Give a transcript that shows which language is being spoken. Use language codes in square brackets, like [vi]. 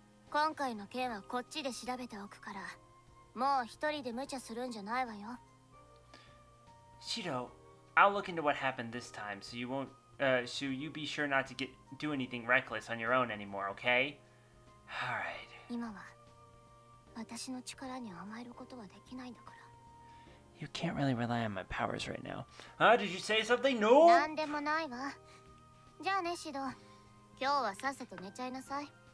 [ja] 今回の件はこっちで調べておくから、もう一人で無茶するんじゃないわよ。 [en] Shido, I'll look into what happened this time, so you won't, so you be sure not to get do anything reckless on your own anymore, okay? All right. [ja] 今は私の力に甘えることはできないんだから。 [en] You can't really rely on my powers right now. Did you say something? No. [ja] 何でもないわ。じゃあね、シド。今日はさっさと寝ちゃいなさい。